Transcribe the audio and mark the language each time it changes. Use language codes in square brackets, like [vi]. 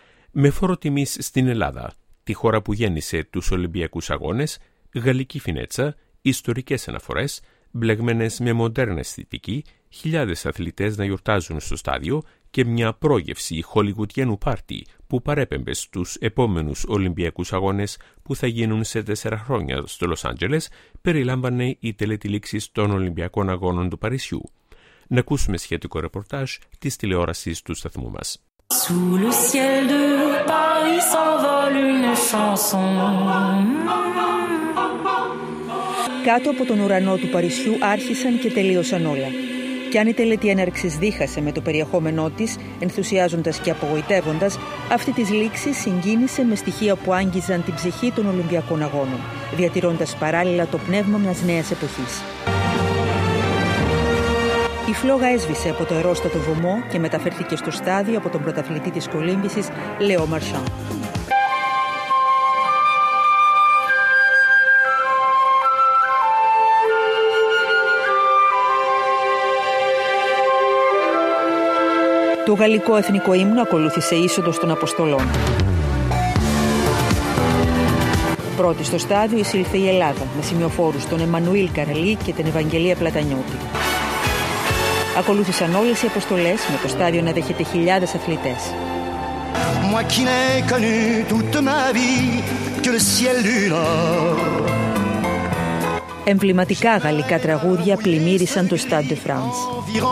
[el] Με φόρο τιμής στην Ελλάδα, τη χώρα που γέννησε τους Ολυμπιακούς Αγώνες, γαλλική φινέτσα, ιστορικές αναφορές, μπλεγμένες με μοντέρνα αισθητική, χιλιάδες αθλητές να γιορτάζουν στο στάδιο και μια πρόγευση χολιγουτιανού πάρτι που παρέπεμπε στους επόμενους Ολυμπιακούς Αγώνες που θα γίνουν σε 4 χρόνια στο Λος Άντζελες, περιλάμβανε η τελετή λήξης των Ολυμπιακών Αγώνων του Παρισιού. Να ακούσουμε σχετικό ρεπορτάζ της τηλεόρασης του σταθμού μας. [fr] Sous le ciel de Paris s'envole une chanson. [el] Κάτω από τον ουρανό του Παρισιού άρχισαν και τελείωσαν όλα. Κι αν η τελετή έναρξης δίχασε με το περιεχόμενό της, ενθουσιάζοντας και απογοητεύοντας, αυτή της λήξης συγκίνησε με στοιχεία που άγγιζαν την ψυχή των Ολυμπιακών Αγώνων, διατηρώντας παράλληλα το πνεύμα μιας νέας εποχής. Η φλόγα έσβησε από το αερόστατο βωμό και μεταφέρθηκε στο στάδιο από τον πρωταθλητή της κολύμβησης, Λεό Μαρσάν. Το γαλλικό εθνικό ύμνο ακολούθησε είσοδος των Αποστολών. Πρώτη στο στάδιο εισήλθε η Ελλάδα με σημειοφόρους τον Εμμανουήλ Καραλή και την Ευαγγελία Πλατανιώτη. Ακολούθησαν όλες οι Αποστολές με το στάδιο να δέχεται χιλιάδες αθλητές. [fr] Moi qui n'ai connu toute ma vie que le ciel du nord. [el] Εμβληματικά γαλλικά τραγούδια πλημμύρισαν το Stade de France.